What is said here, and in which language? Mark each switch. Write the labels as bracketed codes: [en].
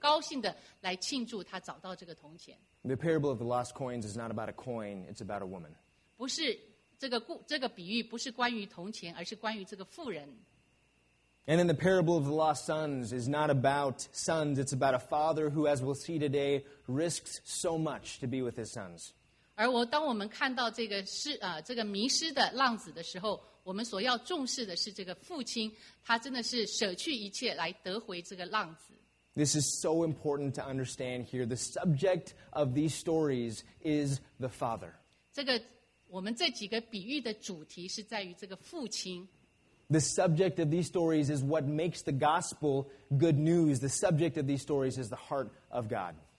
[zh] 当我们讲到这个失落的铜钱的时候，我们不是重视的不是这个铜钱，而是这个妇人，她找了翻箱倒柜找到这个铜钱，然后她就很高兴的来庆祝她找到这个铜钱。 [en] The parable of the lost coins is not about a coin, it's about a woman. [zh] 不是。这个比喻不是关于铜钱，而是关于这个妇人。 [en] And then the parable of the lost sons is not about sons, it's about a father who, as we'll see today, risks so much to be with his sons. [zh] 而当我们看到这个迷失的浪子的时候，我们所要重视的是这个父亲，他真的是舍去一切来得回这个浪子。 [en] This is so important to understand here. The subject of these stories is the father. [zh] 我们这几个比喻的主题是在于这个父亲。 [en] The subject of these stories is what makes the gospel good news. The subject of these stories is the heart of God.